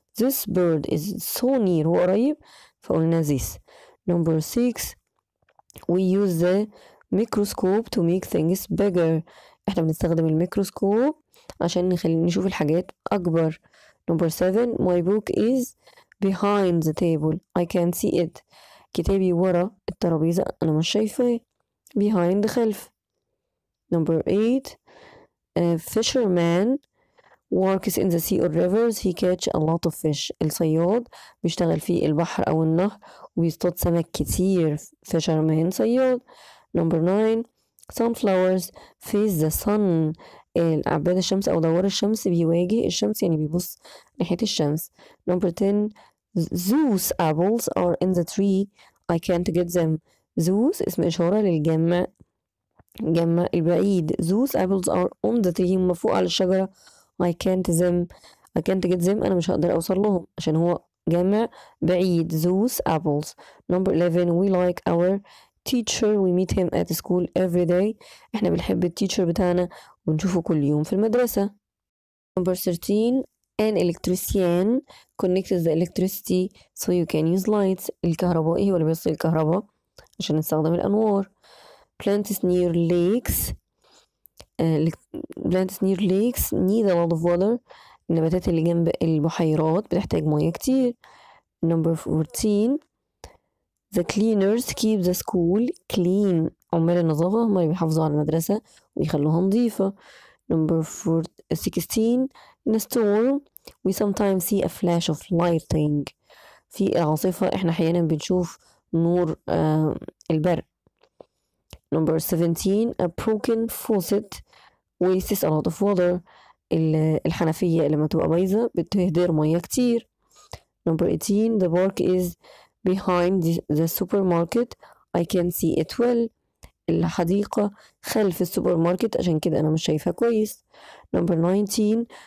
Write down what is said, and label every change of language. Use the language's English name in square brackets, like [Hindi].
[English] This bird is so near، [Arabic] هو قريب، فقلنا [English] this. Number six, we use the microscope to make things bigger. [Arabic] احنا بنستخدم الميكروسكوب عشان نشوف الحاجات اكبر. [English] Number seven, my book is behind the table. I can't see it. [Arabic] كتابي ورا الترابيزة انا مش شايفاه. [English] Behind, [Arabic] خلف. [English] Number eight, a fisherman works in the sea or rivers. He catch a lot of fish. [Arabic] الصياد بيشتغل في البحر او النهر وبيصطاد سمك كتير. فشرمان صياد. [English] Number nine, sunflowers face the sun. [Arabic] عباد الشمس او دوار الشمس بيواجه الشمس، يعني بيبص ناحية الشمس. [English] Number ten, Zeus apples are in the tree. I can't get them. [Arabic] Zeus اسم اشارة للجمع، جمع البعيد. [English] Zeus apples are on the tree. [Arabic] هم فوق على الشجرة. [English] I can't get them. [Arabic] أنا مش هقدر أوصل لهم عشان هو جامع بعيد. [English] Zeus apples. Number 11, we like our teacher. We meet him at school every day. [Arabic] إحنا بنحب التيتشر بتاعنا ونشوفه كل يوم في المدرسة. [English] Number 13, an electrician connects the electricity so you can use lights. [Arabic] الكهربائي هو اللي بيوصل الكهرباء عشان نستخدم الأنوار. [English] Plants near lakes. Plants near lakes need a lot of water. [Arabic] النباتات اللي جنب البحيرات بتحتاج مياه كتير. [English] Number 14, the cleaners keep the school clean. [Arabic] عمال النظافة هم اللي بيحافظوا على المدرسة ويخلوها نظيفة. [English] Number 16, in a storm we sometimes see a flash of lightning. [Arabic] في العاصفة احنا احيانا بنشوف نور البرق. [English] Number 17, a broken faucet wastes a lot of water. [Arabic] الحنفية لما تبقى بايظة بتهدر مية كتير. [English] Number 18, the park is behind the supermarket. I can see it well. [Arabic] الحديقة خلف السوبر ماركت، عشان كده أنا مش شايفها كويس. [English] Number 19.